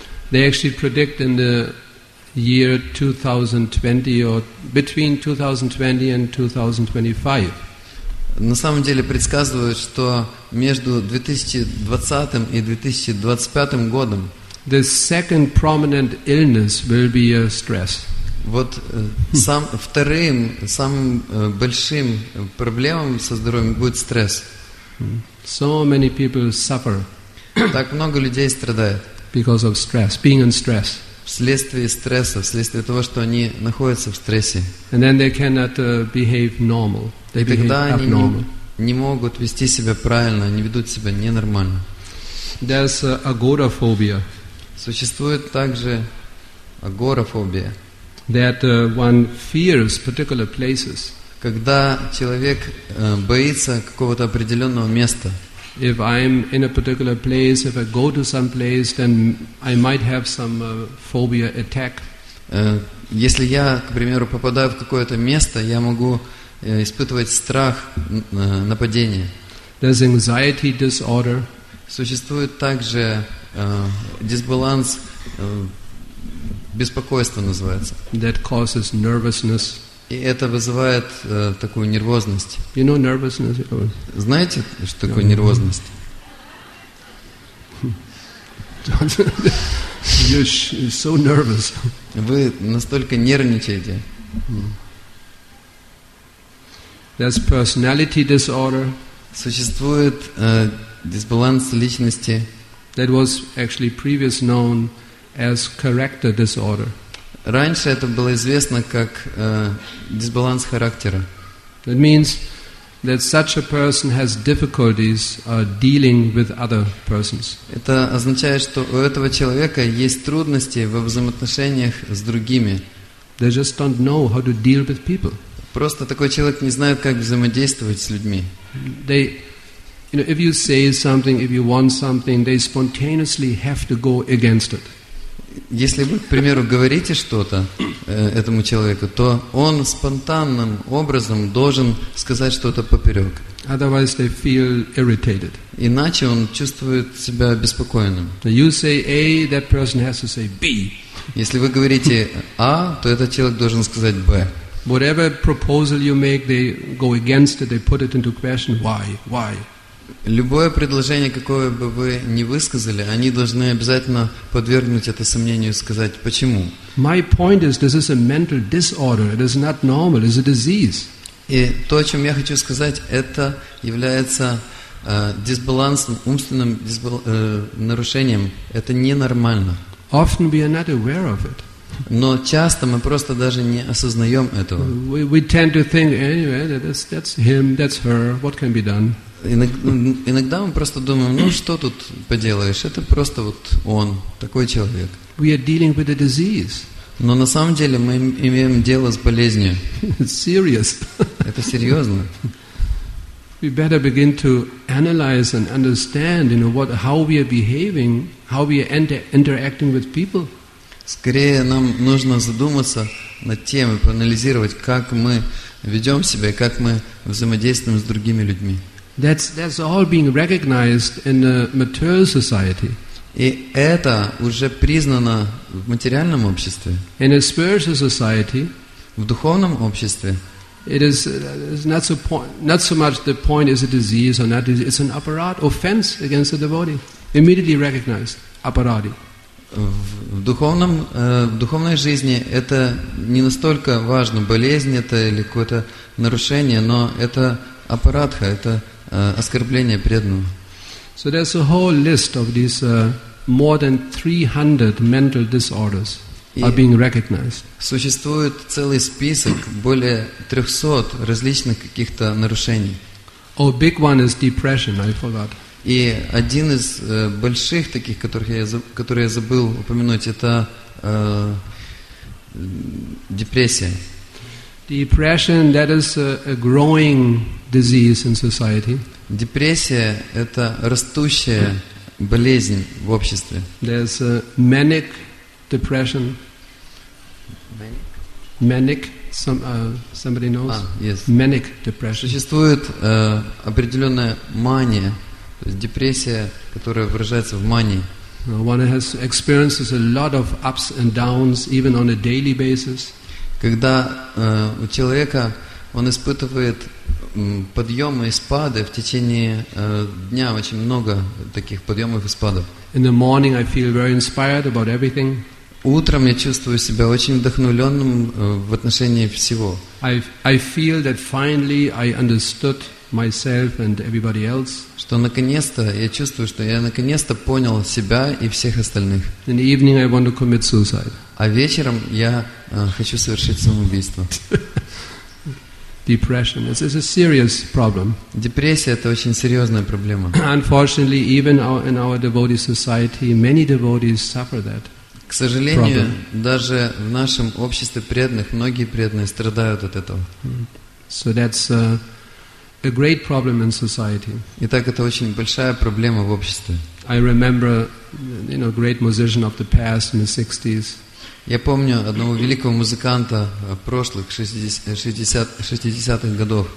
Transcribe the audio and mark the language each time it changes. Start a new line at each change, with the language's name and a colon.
English: They actually predict in the year 2020 or between 2020 and 2025.
Russian: На самом деле предсказывают, что между 2020 и 2025 годом
English: the second prominent illness will be a stress.
Russian: Вот вторым, самым большим проблемам со здоровьем будет стресс.
English: So many people suffer.
Russian: Так много людей страдает.
English: Because of stress, being in stress.
Russian: Вследствие стресса, вследствие того, что они находятся в стрессе.
English: And then they cannot behave normal. They behave abnormal.
Russian: Не могут вести себя правильно, они ведут себя ненормально.
English: There's agoraphobia.
Russian: Существует также агорафобия.
English: That one fears particular places.
Russian: Когда человек боится какого-то определенного места.
English: If I'm in a particular place, if I go to some place, then I might have some phobia attack.
Russian: Если я, к примеру, попадаю в какое-то место, я могу испытывать страх нападения.
English: There's anxiety disorder.
Russian: Существует также дисбаланс, беспокойство называется.
English: That causes nervousness.
Russian: И это вызывает такую нервозность.
English: You know nervousness?
Russian: Знаете, что такое нервозность?
English: You're so nervous.
Russian: Вы настолько нервничаете.
English: There's personality disorder.
Russian: Существует дисбаланс личности.
English: That was actually previously known as character disorder.
Russian: Раньше это было известно как дисбаланс характера.
English: That means that such a person has difficulties dealing with other persons.
Russian: Это означает, что у этого человека есть трудности во взаимоотношениях с другими.
English: They just don't know how to deal with people.
Russian: Просто такой человек не знает, как взаимодействовать с людьми.
English: You know, if you say something, if you want something, they spontaneously have to go against it.
Russian: Если вы, к примеру, говорите что-то этому человеку, то он спонтанным образом должен сказать что-то поперек.
English: Otherwise they feel irritated.
Russian: Иначе он чувствует себя беспокоенным.
English: You say A, that person has to say B.
Russian: Если вы говорите А, то этот человек должен сказать Б.
English: Whatever proposal you make, they go against it, they put it into question. Why? Why?
Russian: Любое предложение, какое бы вы ни высказали, они должны обязательно подвергнуть это сомнению и сказать, почему.
English: My point is, this is a mental disorder. It is not normal. It is a disease.
Russian: И то, о чем я хочу сказать, это является дисбалансом, умственным нарушением. Это ненормально.
English: Often we are not aware of it.
Russian: Но часто мы просто даже не осознаем этого.
English: We tend to think, anyway, that's him, that's her, what can be done?
Russian: Иногда мы просто думаем, ну что тут поделаешь, это просто вот он, такой человек.
English: We are dealing with a disease.
Russian: Но на самом деле мы имеем дело с болезнью.
English: It's serious.
Russian: Это серьезно.
English: We better begin to analyze and understand, you know, what, how we are behaving, how we are interacting with people.
Russian: Скорее нам нужно задуматься над тем и проанализировать, как мы ведем себя, как мы взаимодействуем с другими людьми.
English: That's all being recognized in a mature society.
Russian: И это уже признано в материальном обществе.
English: In a spiritual society,
Russian: в духовном обществе.
English: It is not so much the point is a disease or not. It's an aparat, offense against the devotee, immediately recognized aparati.
Russian: В духовной жизни это не настолько важно, болезнь это или какое-то нарушение, но это апаратха, это оскорбление преданного.
English: So there's a whole list of these more than 300 mental disorders are being recognized.
Russian: Существует целый список более 300 различных каких-то нарушений.
English: Oh, big one is depression, I forgot.
Russian: И один из больших таких, которые я забыл упомянуть, это депрессия.
English: Depression, that is a growing disease in society.
Russian: Депрессия – это растущая болезнь в обществе.
English: There's a manic depression. Manic? Somebody knows? Yes. Manic depression.
Russian: Существует определенная мания. Депрессия, которая выражается в мании.
English: One has experiences a lot of ups and downs, even on a daily basis.
Russian: Когда у человека он испытывает подъемы и спады в течение дня, очень много таких подъемов и спадов.
English: In the morning I feel very inspired about everything.
Russian: Утром я чувствую себя очень вдохновленным в отношении всего.
English: I feel that finally I understood myself and everybody else.
Russian: Что наконец-то я чувствую, что я наконец-то понял себя и всех остальных.
English: In the evening I want to commit suicide.
Russian: А вечером я хочу совершить самоубийство.
English: Depression. This is a serious problem.
Russian: Депрессия – это очень серьезная проблема.
English: Unfortunately, even in our devotee society, many devotees suffer that.
Russian: К сожалению, даже в нашем обществе преданных многие преданные страдают от этого.
English: So that's a great problem in society.
Russian: Итак, это очень большая проблема в обществе.
English: I remember, you know, great musician of the past in the 60s.
Russian: Я помню одного великого музыканта прошлых 60-х годов.